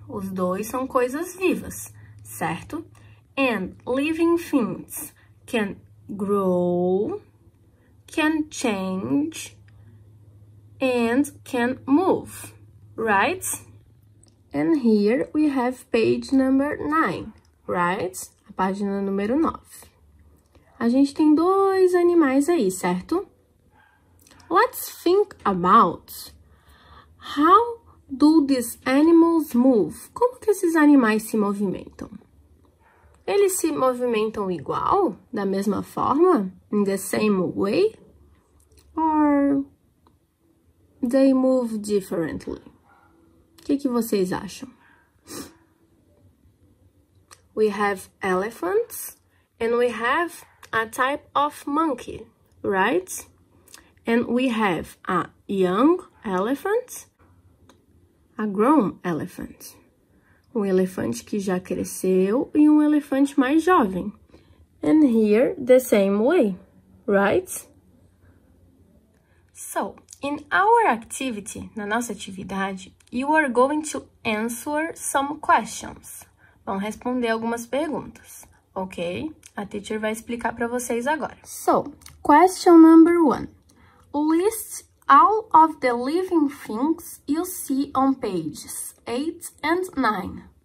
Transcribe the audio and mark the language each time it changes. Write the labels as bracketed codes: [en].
[pt] Os dois são coisas vivas, certo? [en] And living things can grow, can change, and can move, right? And here we have page number 9, right? [pt] A página número 9. A gente tem dois animais aí, certo? [en] Let's think about how do these animals move? [pt] Como que esses animais se movimentam? Eles se movimentam igual? Da mesma forma? [en] In the same way? Or they move differently? [pt] O que vocês acham? [en] We have elephants and we have a type of monkey, right? And we have a young elephant, a grown elephant. [pt] Um elefante que já cresceu e um elefante mais jovem. [en] And here, the same way, right? So, in our activity, [pt] na nossa atividade, [en] you are going to answer some questions. [pt] Vão responder algumas perguntas, ok? A teacher vai explicar para vocês agora. [en] So, question number one. List all of the living things you see on pages 8 and 9.